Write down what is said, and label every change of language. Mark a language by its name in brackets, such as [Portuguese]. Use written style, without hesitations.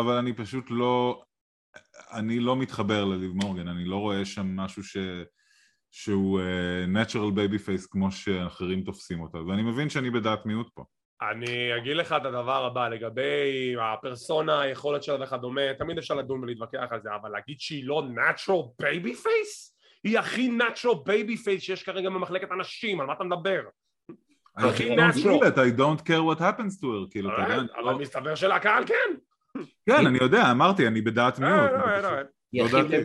[Hebrew] אבל אני פשוט לא, אני לא מתחבר לליב מורגן, אני לא רואה שם משהו שהוא natural baby face כמו שאחרים תופסים אותה, ואני מבין שאני בדעת מיעוט פה. אני אגיד לך את הדבר הבא, לגבי הפרסונה, היכולת שלה וכדומה, תמיד אפשר לדון ולהתווכח על זה, אבל להגיד שהיא לא natural baby face? היא הכי natural baby face שיש כרגע במחלקת אנשים, על מה אתה מדבר? [English] I don't care what happens to her, [Hebrew] אבל מסתבר של הקהל כן. כן, אני יודע, אמרתי, אני בדעת מיעוט.